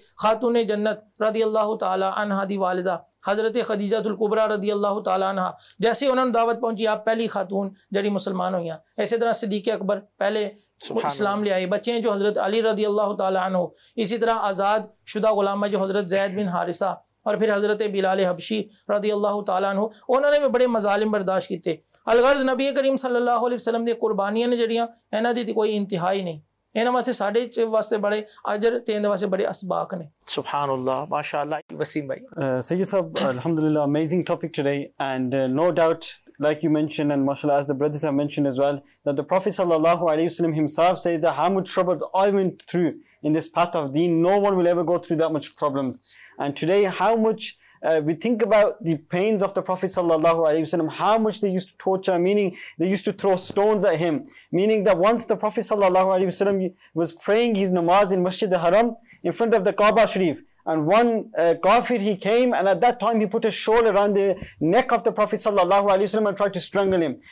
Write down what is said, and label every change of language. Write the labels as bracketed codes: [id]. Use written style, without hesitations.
[ur] خاتون جنت رضی اللہ تعالیٰ عنہا دی والدہ حضرت خدیجہ الکبریٰ رضی اللہ تعالیٰ عنہا، جیسے انہوں نے دعوت پہنچی آپ پہلی خاتون جڑی مسلمان ہوئی ہیں۔ اسی طرح صدیق اکبر پہلے اسلام لے آئے، بچے ہیں جو حضرت علی رضی اللہ تعالیٰ عنہ، اسی طرح آزاد شدہ غلامہ جو حضرت زید بن حارثہ اور پھر حضرت بلال حبشی رضی اللہ تعالیٰ عنہ، انہوں نے بھی بڑے مظالم برداشت کیتے. [pa] الغرض نبی کریم صلی اللہ علیہ وسلم دی قربانیاں نے جڑیاں انہاں دی تے کوئی انتہا ہی نہیں، انہاں واسطے ساڈے واسطے بڑے اجر تے انہاں واسطے بڑے اسباق نے. [ur] سبحان اللہ، ماشاءاللہ. وسیم بھائی، [en] سید صاحب، الحمدللہ، amazing topic today, and no doubt like you mentioned and mashallah as the brothers have mentioned as well that the Prophet sallallahu alaihi wasallam himself said that how much troubles I went through in this path of deen, no one will ever go through that much problems. And today how much we think about the pains of the Prophet sallallahu alaihi wasallam, how much they used to torture, meaning they used to throw stones at him, meaning that once the Prophet sallallahu alaihi wasallam was praying his namaz in Masjid al-Haram in front of the Kaaba Sharif, and one kafir, he came and at that time he put a shawl around the neck of the Prophet sallallahu alaihi wasallam and tried to strangle him.